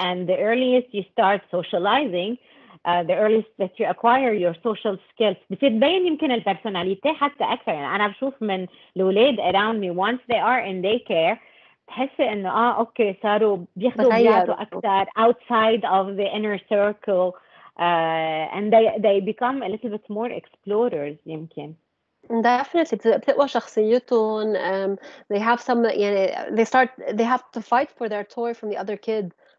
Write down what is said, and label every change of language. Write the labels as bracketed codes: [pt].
[en] And the earliest you start socializing, the earliest that you acquire your social skills, [ar] بتتبين يمكن البرسوناليتي حتى أكثر. يعني أنا بشوف من الولاد [en] around me, once they are in daycare, [ar] تحس إنه أوكي صاروا بيخدوا بياتوا أكثر [en] outside of the inner circle. And they become a little bit more explorers, [ar] يمكن. [en] Definitely, [ar] بتقوى شخصيتهم. [en] They have some, [ar] يعني, [en] they start, they have to fight for their toy from the other kid.